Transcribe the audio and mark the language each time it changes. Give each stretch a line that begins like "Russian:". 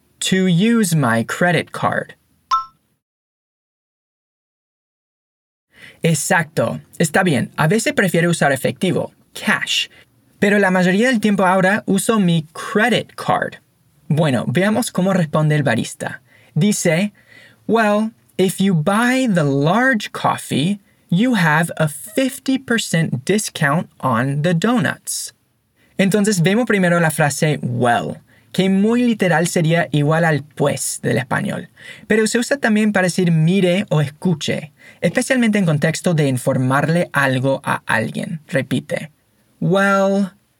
English: To use my credit card.
Spanish: Exacto. Está bien. A veces prefiero usar efectivo, cash. Pero la mayoría del tiempo ahora uso mi credit card. Bueno, veamos cómo responde el barista.
English: Dice, well, if you buy the large coffee, you have a 50% discount on the donuts.
Spanish: Entonces, vemos primero la frase well, que muy literal sería igual al pues del español. Pero se usa también para decir mire o escuche, especialmente en contexto de informarle algo a alguien. Repite. Well.